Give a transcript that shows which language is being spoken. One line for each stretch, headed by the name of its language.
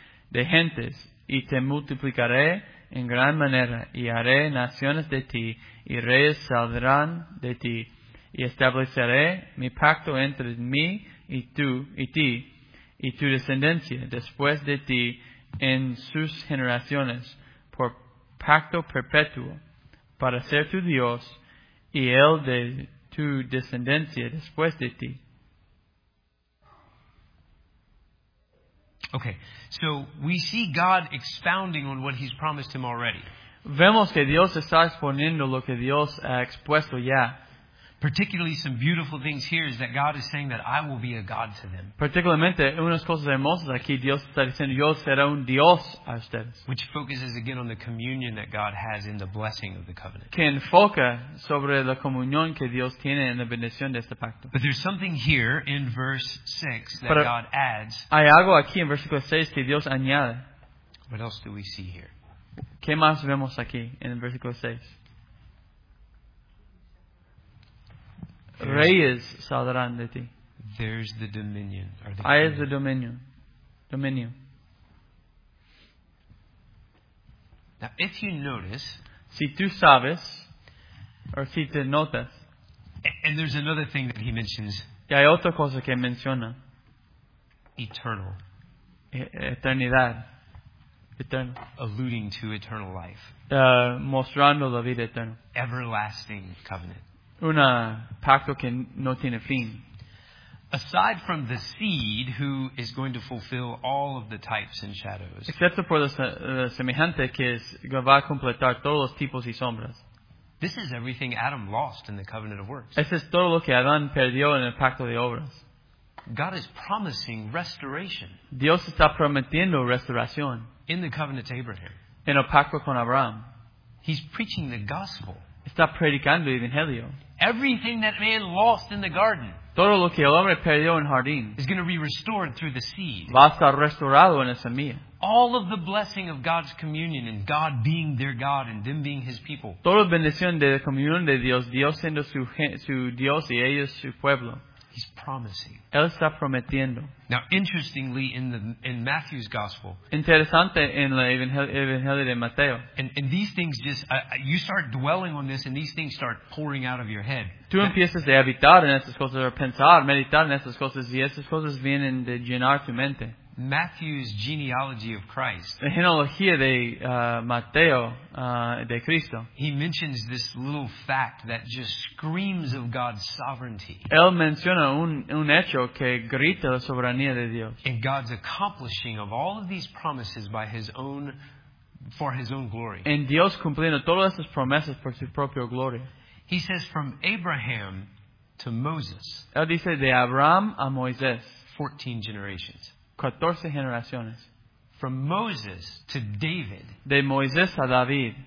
Spanish: de gentes y te multiplicaré en gran manera, y haré naciones de ti, y reyes saldrán de ti, y estableceré mi pacto entre mí y tú, y ti, y tu descendencia después de ti en sus generaciones, por pacto perpetuo, para ser tu Dios, y el de tu descendencia después de ti.
English: Okay, so we see God expounding on what he's promised him already.
Spanish: Vemos que Dios está exponiendo lo que Dios ha expuesto ya.
English: Particularly some beautiful things here is that God is saying that I will be a God to them.
Spanish: Particularmente, unas cosas hermosas aquí, Dios está diciendo, yo seré un Dios a ustedes.
English: Which focuses again on the communion that God has in the blessing of the covenant.
Spanish: Que enfoca sobre la comunión que Dios tiene en la bendición de este pacto.
English: But there's something here in verse 6 that
Spanish: Pero
English: God adds.
Spanish: Hay algo aquí en versículo 6 que Dios añade.
English: What else do we see here?
Spanish: ¿Qué más vemos aquí en versículo 6? Reyes saldrán de ti.
English: There's the dominion.
Spanish: Ahí es el dominion. Dominion.
English: Now, if you notice,
Spanish: si tú sabes,
English: or
Spanish: si te notas,
English: and there's another thing that he mentions.
Spanish: Y hay otra cosa que menciona.
English: Eternal.
Spanish: Eternidad. Eterno.
English: Alluding to eternal life.
Spanish: Mostrando la vida eterna.
English: Everlasting covenant.
Spanish: Una pacto que no tiene fin.
English: aside from the seed who is going to fulfill all of the types and shadows.
Spanish: Excepto por la semejante que es, va a completar todos los tipos y sombras.
English: This is everything Adam lost in the covenant of works.
Spanish: Eso es todo lo que Adán perdió en el pacto de obras.
English: God is promising restoration.
Spanish: Dios está prometiendo restauración.
English: In the covenant to Abraham.
Spanish: En el pacto con Abraham.
English: He's preaching the gospel.
Spanish: Está predicando el evangelio.
English: Everything that man lost in the garden.
Spanish: Todo lo que el hombre perdió en jardín.
English: Is going to be restored through the seed.
Spanish: Va a estar restaurado en la semilla.
English: All of the blessing of God's communion and God being their God and them being His people.
Spanish: Toda bendición de la comunión de Dios, Dios siendo su Dios y ellos su pueblo.
English: He's promising.
Spanish: Él está prometiendo.
English: Now, interestingly, in Matthew's gospel.
Spanish: Interesante en el evangelio de Mateo.
English: And these things just you start dwelling on this, and these things start pouring out of your head.
Spanish: Tú empiezas a habitar en estas cosas, a pensar, meditar en estas cosas, y estas cosas vienen de llenar tu mente.
English: Matthew's genealogy of Christ.
Spanish: La genealogía de Mateo de Cristo.
English: He mentions this little fact that just screams of God's sovereignty.
Spanish: Él menciona un hecho que grita la soberanía de Dios.
English: And God's accomplishing of all of these promises by His own, for His own glory.
Spanish: En Dios cumpliendo todas estas promesas por su propia gloria.
English: He says from Abraham to Moses.
Spanish: Él dice de Abraham a Moisés.
English: 14 generations.
Spanish: 14 generaciones.
English: From Moses to David.
Spanish: De Moisés a David.